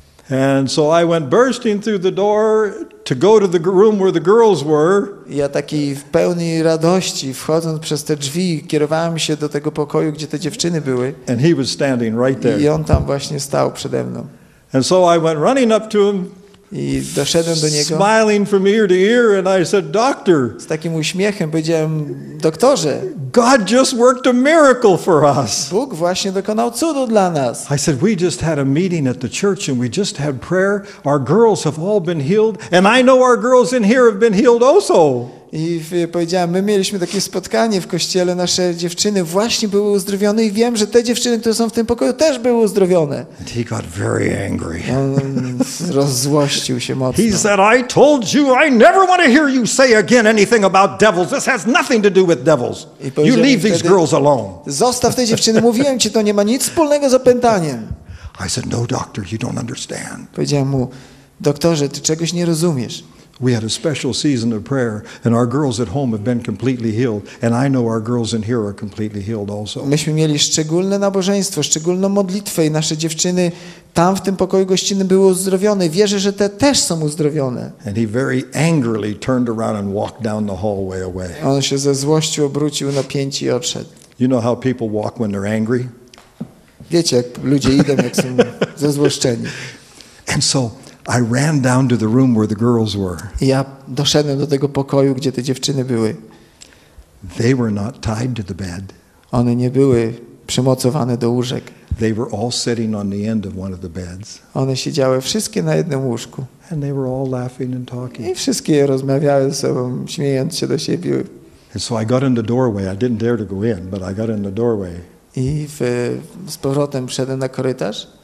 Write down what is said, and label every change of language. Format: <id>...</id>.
<en>And so I went bursting through the door to go to the room where the girls were.</en> <pl>Ja taki w pełni radości, wchodząc przez te drzwi, kierowałem się do tego pokoju, gdzie te dziewczyny były.</pl> <en>And he was standing right there.</en> <pl>I on tam właśnie stał przede mną.</pl> <en>And so I went running up to him.</en> <pl>I doszedłem do niego.</pl> <en>Smiling from ear to ear, and I said, "Doctor."</en> <pl>Z takim uśmiechem powiedziałem, doktorze.</pl> <en>God just worked a miracle for us.</en> <pl>Bóg właśnie dokonał cudu dla nas.</pl> <en>I said, "We just had a meeting at the church, and we just had prayer. Our girls have all been healed, and I know our girls in here have been healed also."</en> <pl>I powiedziałem, my mieliśmy takie spotkanie w kościele, nasze dziewczyny właśnie były uzdrowione i wiem, że te dziewczyny, które są w tym pokoju, też były uzdrowione.</pl> <en>And he got very angry.</en> <pl>On rozzłościł się mocno.</pl> <en>He said, I told you, I never want to hear you say again anything about devils. This has nothing to do with devils. You leave these girls alone.</en> <pl>Zostaw te dziewczyny, mówiłem ci, to nie ma nic wspólnego z opętaniem.</pl> <en>I said, no doctor, you don't understand.</en> <pl>Powiedziałem mu, doktorze, ty czegoś nie rozumiesz.</pl> <en>We had a special season of prayer, and our girls at home have been completely healed, and I know our girls in here are completely healed also.</en> <pl>Myśmy mieli szczególne nabożeństwo, szczególną modlitwę i nasze dziewczyny tam w tym pokoju gościnnym były uzdrowione. Wierzę, że te też są uzdrowione.</pl> <en>And he very angrily turned around and walked down the hallway away.</en> <pl>On się ze złością obrócił na pięć i odszedł.</pl> <en>You know how people walk when they're angry?</en> <pl>Wiecie, jak ludzie idą, jak są zezłoszczeni.</pl> <en>And so I ran down to the room where the girls were.</en> <pl>Ja doszedłem do tego pokoju, gdzie te dziewczyny były.</pl> <en>They were not tied to the bed.</en> <pl>One nie były przymocowane do łóżek.</pl> <en>They were all sitting on the end of one of the beds.</en> <pl>One siedziały wszystkie na jednym łóżku.</pl> <en>And they were all laughing and talking.</en> <pl>I wszystkie rozmawiały ze sobą, śmiejąc się do siebie.</pl> <en>And so I got in the doorway. I didn't dare to go in, but I got in the doorway.</en> <pl>I z powrotem wszedłem na korytarz.</pl>